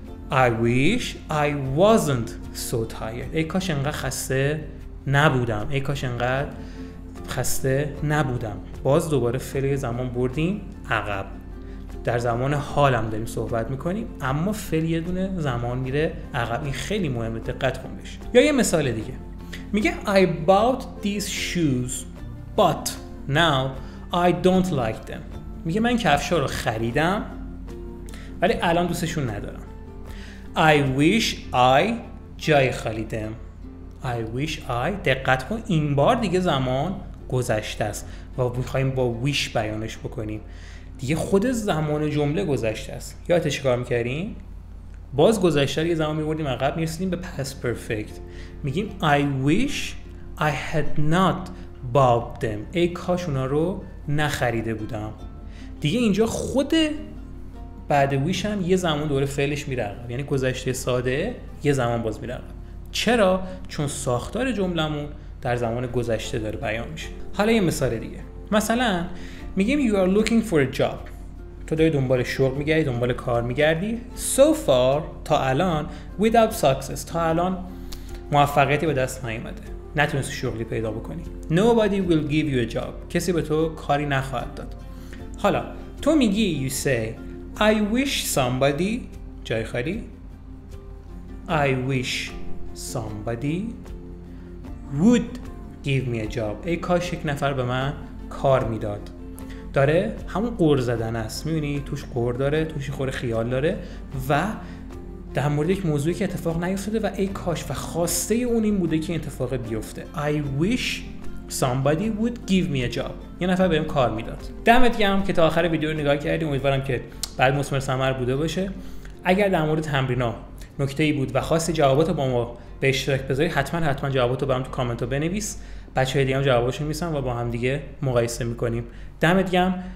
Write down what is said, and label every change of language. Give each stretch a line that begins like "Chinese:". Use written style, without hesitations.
English: I wish I wasn't so tired.
Persian: ای کاش انقدر خسته نبودم. ای کاش انقدر خسته نبودم. باز دوباره فعل زمان بردیم عقب. در زمان حالم داریم صحبت میکنیم اما فعل یه دونه زمان میره عقب. این خیلی مهمه، دقت کن بهش. یا یه مثال دیگه.
English: میگه I bought these shoes but now I don't like them.
Persian: میگه من کفشا رو خریدم ولی الان دوستشون ندارم.
English: I wish I
Persian: جای خالی دم. I wish I، دقت کن این بار دیگه زمان گذشته است و میخواییم با wish بیانش بکنیم. دیگه خود زمان جمله گذشته است. یادت چیکار میکردیم؟ باز گذشته یه زمان میبردیم عقب، میرسیدیم به past perfect.
English: میگیم I wish I had not bought them.
Persian: ای کاش اونا رو نخریده بودم. دیگه اینجا خود بعد wish هم یه زمان دوره فعلش میره عقب، یعنی گذشته ساده یه زمان باز میره عقب. چرا؟ چون ساختار جملمون در زمان گذشته داره بیان میشه. حالا یه مثال دیگه. مثلا میگیم
English: you are looking for a job.
Persian: تو داری دنبال شغل میگردی، دنبال کار میگردی.
English: So far
Persian: تا الان
English: without success،
Persian: تا الان موفقیتی به دست نیومده، نتونستی شغلی پیدا بکنی.
English: Nobody will give you a job.
Persian: کسی به تو کاری نخواهد داد. حالا تو میگی
English: you say I wish somebody
Persian: جای خالی
English: I wish somebody would give me a job.
Persian: ای کاش یک نفر به من کار میداد. داره همون قور زدن است، میبینی توش قور داره، توش خور خیال داره و در مورد یک موضوعی که اتفاق نیفتاده و ای کاش و خواسته اون این بوده که اتفاق بیفته.
English: I wish somebody would give me a job.
Persian: یه نفر بهم کار میداد. دمت گرم که تا آخر ویدیو رو نگاه کردی. امیدوارم که بعد مثمر ثمر بوده باشه. اگر در مورد تمرینا نکته‌ای بود و خواستی جواباتو با ما به اشتراک بذاری، حتما جواباتو برام تو کامنتو بنویس. بچه‌های دیگه هم جواباشو می‌سن و با هم دیگه مقایسه می‌کنیم. دمت گرم.